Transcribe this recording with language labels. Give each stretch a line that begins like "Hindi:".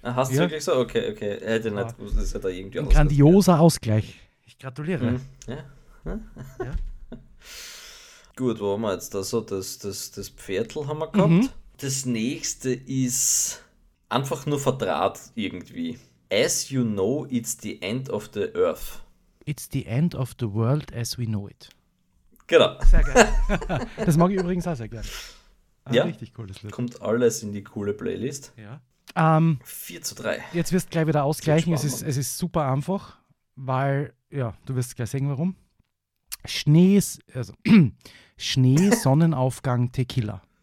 German: Ah, hast du wirklich so? Okay. Er hätte nicht gewusst, dass er da irgendwie ein grandioser Ausgleich. Ich gratuliere. Ja. Gut, wo haben wir jetzt da so? Das Pferdl haben wir gehabt. Mhm. Das nächste ist einfach nur verdraht irgendwie.
English: As you know, it's the end of the earth. It's the end of the world as we know it.
German: Genau. Sehr geil. Das mag ich übrigens auch sehr gerne. Ja, richtig cooles Lied. Kommt alles in die coole Playlist. Ja. 4-3. Jetzt wirst du gleich wieder ausgleichen. Es ist super einfach, weil, ja, du wirst gleich sehen, warum. Schnee, Sonnenaufgang, Tequila.